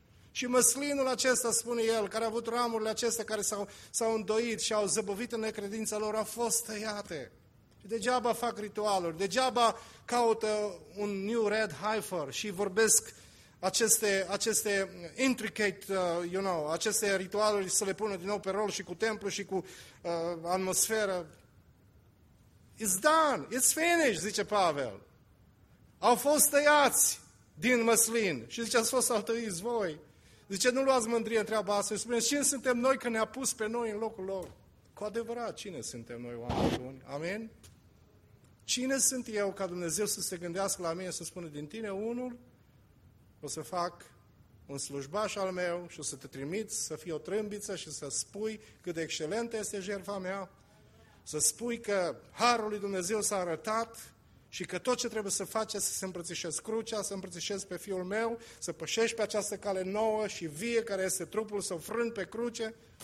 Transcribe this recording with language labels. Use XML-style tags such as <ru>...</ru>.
<ro>Și măslinul acesta, spune el, care a avut ramurile acestea care s-au îndoit și au zăbovit în necredința lor, au fost tăiate. Degeaba fac ritualuri, degeaba caută un</ro> <en>new red heifer</en> <ro>și vorbesc aceste</ro> <en>intricate, you know,</en> <ro>aceste ritualuri să le pună din nou pe rol și cu templu și cu atmosferă.</ro> <en>It's done, it's finished, zice Pavel.</en> <ro>Au fost tăiați din măslin și zice, ați fost altăiți voi. Zice, nu luați mândrie în treaba asta, spuneți, cine suntem noi că ne-a pus pe noi în locul lor? Cu adevărat, cine suntem noi oameni buni? Amin? Cine sunt eu ca Dumnezeu să se gândească la mine, să spună din tine unul, o să fac un slujbaș al meu și o să te trimit să fii o trâmbiță și să spui cât de excelentă este jertfa mea, să spui că harul lui Dumnezeu s-a arătat și că tot ce trebuie să faci este să se îmbrățișezi crucea, să îmbrățișezi pe fiul meu, să pășești pe această cale nouă și vie care este trupul, să o frân pe cruce.</ro>